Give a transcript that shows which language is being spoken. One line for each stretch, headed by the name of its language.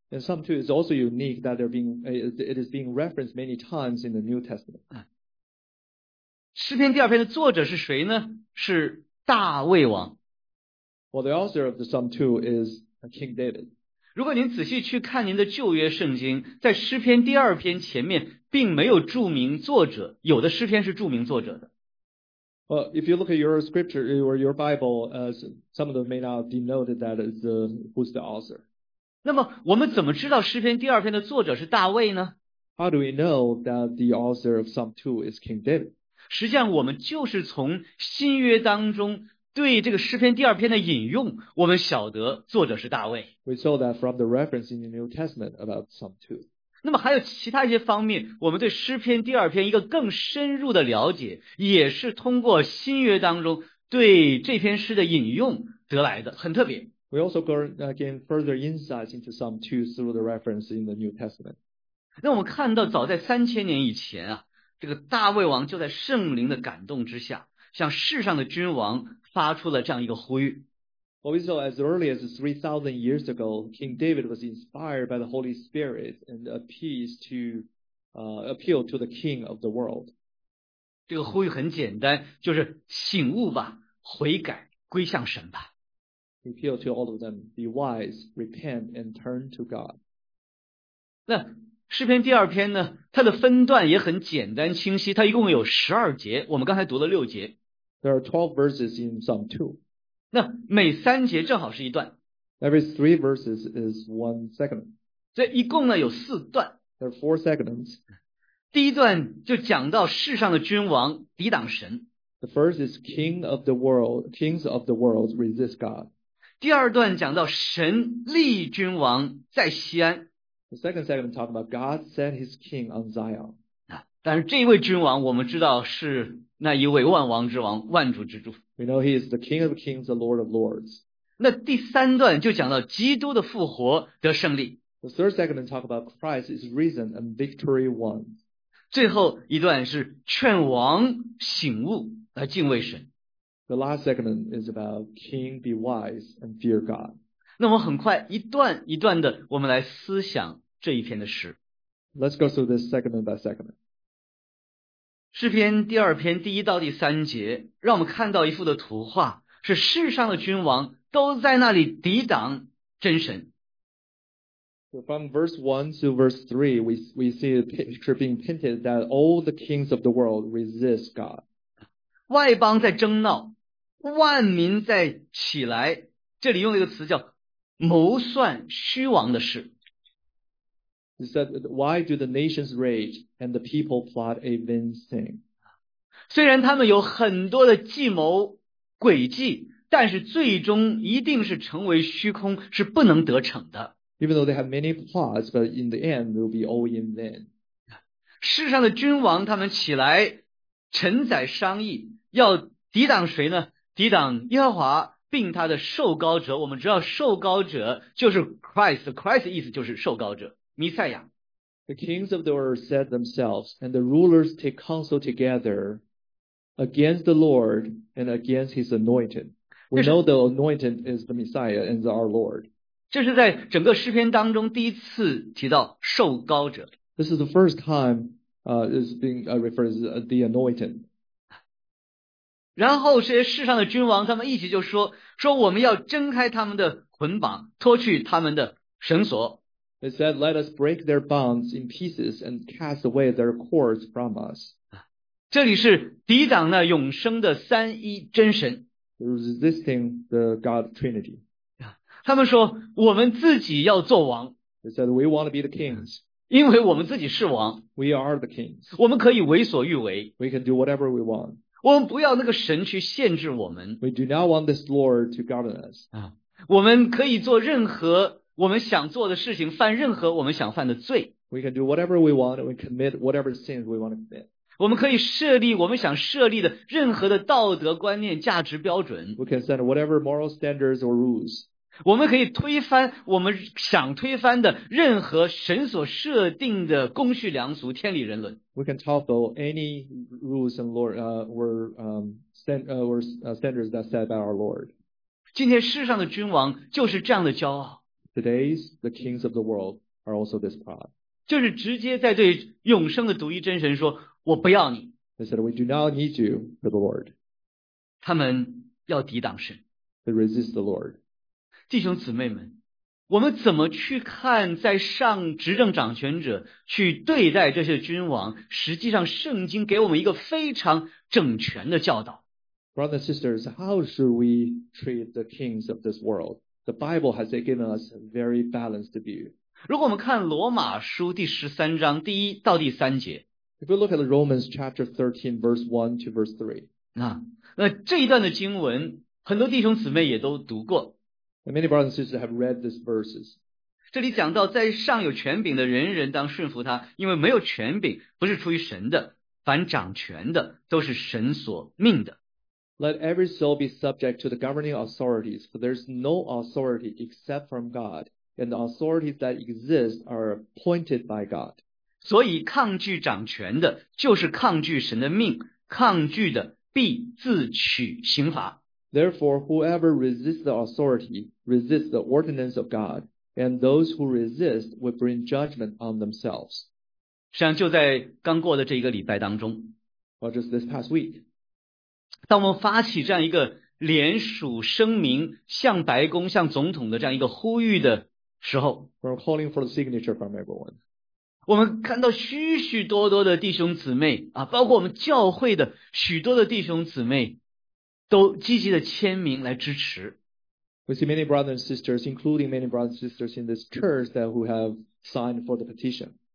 English: And Psalm 2 is also unique that they're being, it is being referenced many times in the New Testament.
Chinese: 诗篇第二篇的作者是谁呢？是大卫王。
English: Well, the author of the Psalm 2 is King David.
Chinese: 如果您仔细去看您的旧约圣经，在诗篇第二篇前面并没有注明作者，有的诗篇是注明作者的。
English: Well, if you look at your scripture or your Bible, some of them may not denote that it's who's the author.
Chinese: 那么我们怎么知道诗篇第二篇的作者是大卫呢？
English: How do we know that the author of Psalm 2 is King David?
Chinese: 实际上我们就是从新约当中对这个诗篇第二篇的引用，我们晓得作者是大卫。
English: We saw that from the reference in the New Testament about Psalm 2.
Chinese: 那么还有其他一些方面，我们对诗篇第二篇一个更深入的了解，也是通过新约当中对这篇诗的引用得来的，很特别。
English: We also gain further insights into Psalm 2 through the reference in the New Testament.
Chinese: 那我们看到早在3000年以前啊，这个大卫王就在圣灵的感动之下，向世上的君王发出了这样一个呼吁。
English: Well, we saw as early as 3,000 years ago, King David was inspired by the Holy Spirit and appealed to the King of the world.
Chinese: 这个呼吁很简单，就是醒悟吧，悔改，归向神吧。
English: He appealed to all of them, be wise, repent, and turn to God.
Chinese: 那诗篇第二篇呢，它的分段也很简单清晰，它一共有12节，我们刚才读了6节。
English: There are 12 verses in Psalm 2.
Chinese: 那每三节正好是一段。
English: Every three verses is one segment.
Chinese: 所以一共呢有四段。
English: There are four segments.
Chinese: 第一段就讲到世上的君王抵挡神。
English: The first is king of the world, kings of the world resist God.
Chinese: 第二段讲到神立君王在锡安。
English: The second segment talks about God set his king on Zion.
Chinese: 但是这一位君王我们知道是那一位万王之王万主之主。
English: We know he is the king of kings, the lord of lords.
Chinese: 那第三段就讲到基督的复活得胜利。
English: The third segment talks about Christ is risen and victory won.
Chinese: 最后一段是劝王醒悟来敬畏神。
English: The last segment is about king be wise and fear God.
Chinese: 那我们很快一段一段的我们来思想这一篇的诗。
English: Let's go through this segment by segment.
Chinese: 诗篇第二篇第一到第三节让我们看到一幅的图画是世上的君王都在那里抵挡真神。
English: So from verse 1 to verse 3, we see a picture being painted that all the kings of the world resist God.
Chinese: 外邦在争闹，万民在起来，这里用了一个词叫谋算虚妄的事。
English: He said, why do the nations rage and the people plot a vain thing?
Chinese: 虽然他们有很多的计谋诡计，但是最终一定是成为虚空，是不能得逞的。
English: Even though they have many plots, but in the end, they'll be all in vain.
Chinese: 世上的君王他们起来臣宰商议，要抵挡谁呢？抵挡耶和华并他的受膏者。我们知道受膏者就是 Christ. Christ 意思就是受膏者，弥赛亚。
English: The kings of the earth set themselves, and the rulers take counsel together against the Lord and against his anointed. We know the anointed is the Messiah and our Lord.
Chinese: 这是在整个诗篇当中第一次提到受膏者。
English: This is the first time, is being referred to the anointed.
Chinese: 然后这些世上的君王他们一起就说，说我们要挣开他们的捆绑，脱去他们的绳索。
English: They said, let us break their bonds in pieces and cast away their cords from us.
Chinese: 这里是抵挡那永生的三一真神。
English: Resisting the God Trinity.
Chinese: 他们说我们自己要做王。
English: They said we want to be the kings.
Chinese: 因为我们自己是王。
English: We are the kings.
Chinese: 我们可以为所欲为。
English: We can do whatever we want.
Chinese: 我们不要那个神去限制我们。
English: We do not want this Lord to govern us.
Chinese: 我们可以做任何我们想做的事情，犯任何我们想犯的罪。
English: We can do whatever we want and we commit whatever sins we want to commit.
Chinese: 我们可以设立我们想设立的任何的道德观念、价值标准。
English: We can set whatever moral standards or rules.
Chinese: 我们可以推翻我们想推翻的任何神所设定的公序良俗、天理人伦。
English: We can topple any rules and Lord, standards that set by our Lord.
Chinese: 今天世上的君王就是这样的骄傲。
English: Today's the kings of the world are also this pride.
Chinese: 就是直接在对永生的独一真神说：“我不要你。”
English: They said, "We do not need you for the Lord."
Chinese: 他们要抵挡神。
English: They resist the Lord.
Chinese: 弟兄姊妹们，我们怎么去看在上执政掌权者去对待这些君王？实际上，圣经给我们一个非常整全的教导。
English: Brothers and sisters, how should we treat the kings of this world? The Bible has given us a very balanced view.
Chinese: 如果我们看罗马书第十三章第一到第三节
English: ，If we look at Romans chapter 13, verse 1 to verse 3,
Chinese: 那这一段的经文，很多弟兄姊妹也都读过。
English: And many brothers and sisters have read these verses.
Chinese: 这里讲到在上有权柄的人人当顺服他，因为没有权柄不是出于神的，凡掌权的都是神所命的。
English: Let every soul be subject to the governing authorities, for there is no authority except from God, and the authorities that exist are appointed by God.
Chinese: 所以抗拒掌权的就是抗拒神的命，抗拒的必自取刑罚。
English: Therefore, whoever resists the authority resists the ordinance of God, and those who resist will bring judgment on themselves.
Chinese: 实际上就在刚过的这一个礼拜当中
English: Or just this past week.
Chinese: 当我们发起这样一个联署声明向白宫向总统的这样一个呼吁的时候
English: We're calling for the signature from everyone.
Chinese: 我们看到许许多多的弟兄姊妹啊，包括我们教会的许多的弟兄姊妹都积极的签名来支持。
English: We see many brothers and sisters, including many brothers and sisters in this church that who have signed for the petition.